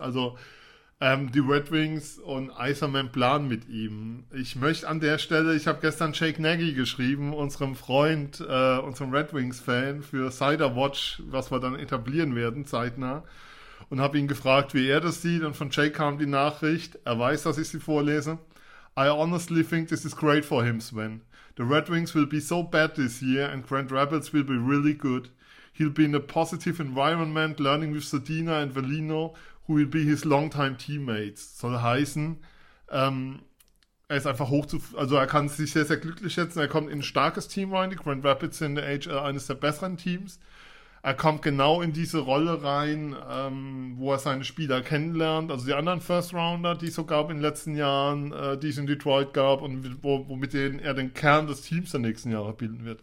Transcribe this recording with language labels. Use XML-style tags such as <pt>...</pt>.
<de>Also die Red Wings und Iserman planen mit ihm. Ich möchte an der Stelle, ich habe gestern Jake Nagy geschrieben, unserem Freund, unserem Red Wings-Fan für Cider Watch, was wir dann etablieren werden, zeitnah, und habe ihn gefragt, wie er das sieht. Und von Jake kam die Nachricht, er weiß, dass ich sie vorlese.</de> <en>I honestly think this is great for him, Sven. The Red Wings will be so bad this year and Grand Rapids will be really good. He'll be in a positive environment, learning with Sedina and Valino, who will be his longtime teammates.</en> <de>Soll heißen, er ist einfach also er kann sich sehr, sehr glücklich schätzen. Er kommt in ein starkes Team rein. Die Grand Rapids sind in der AHL eines der besseren Teams. Er kommt genau in diese Rolle rein, wo er seine Spieler kennenlernt. Also die anderen First-Rounder, die es so gab in den letzten Jahren, die es in Detroit gab und womit er den Kern des Teams der nächsten Jahre bilden wird.</de>